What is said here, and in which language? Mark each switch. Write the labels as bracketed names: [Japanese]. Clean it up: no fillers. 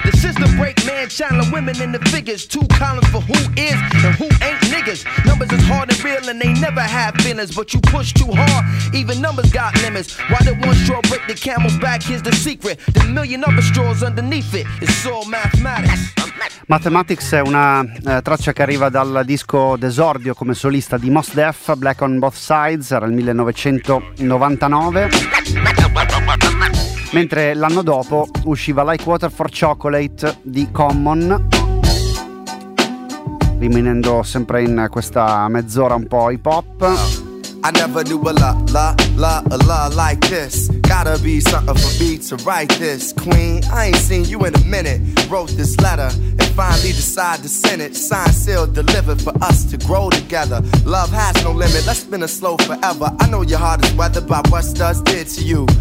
[English] The system break, man. Channeling women in the figures. Two columns for who is and who ain't niggas. Numbers is hard and real and they never have feelings. But you push too hard, even numbers got limits. Why did one straw break the camel's back? Here's the secret. The million other straws underneath it. It's all mathematics. [Italian] Mathematics è una traccia che arriva dal disco d'esordio come solista di Mos Def, Black on Both Sides, era il 1999. Mentre l'anno dopo usciva Like Water for Chocolate di Common, rimanendo sempre in questa mezz'ora un po' hip hop. [English] I never knew a la la la la like this. Gotta be something for me to write this. Queen, I ain't seen you in a minute. Wrote this letter and finally decide to send it. Signed, sealed, delivered for us to grow together. Love has no limit, let's spin a slow forever. I know your heart is weathered by what does did to you.